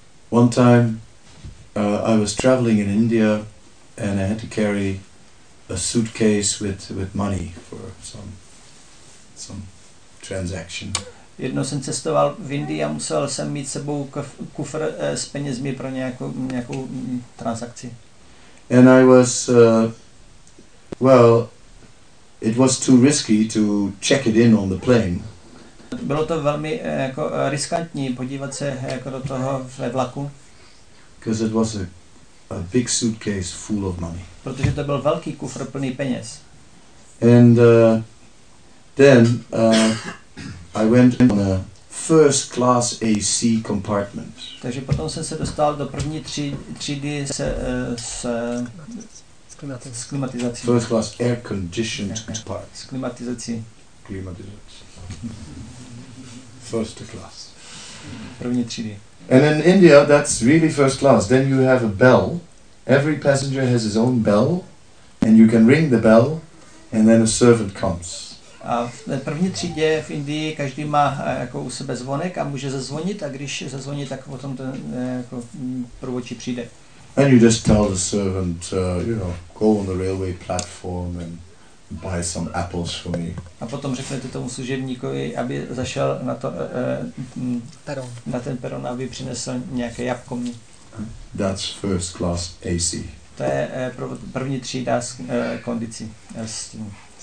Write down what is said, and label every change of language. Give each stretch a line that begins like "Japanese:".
English: One time I was traveling in India and I had to carry a suitcase with money for some transaction.
Czech: Jednou jsem cestoval v Indii a musel jsem mít sebou kufr s penězmi pro nějakou transakci.
English: And I was well, it was too risky to check it in on the plane.
Czech: Bylo to velmi jako riskantní podívat se jako do toho ve vlaku.
English: Because it was a big suitcase full of money.
Czech: Protože to byl velký kufr plný peněz.
English: And then I went in on a first class AC compartment.
Czech: Takže potom jsem se dostal do první třídy s klimatizací.
English: First class air conditioned compartment.
Czech: S klimatizací.
English: First class.
Czech: První třídy.
English: And in India that's really first class. Then you have a bell. Every passenger has his own bell, and you can ring the bell, and then a servant comes.
Czech: A v první třídě v Indii každý má jako u sebe zvonek a může zazvonit, a když zazvoní, tak potom ten jako průvodčí přijde.
English: And you just tell the servant, go on the railway platform and buy some apples for me.
Czech: A potom řeknete tomu služebníkovi, aby zašel na to peron. Na ten peron, aby přinesl nějaké jabko mi.
English: That's first class AC.
Czech: To je první třída s kondicí s tím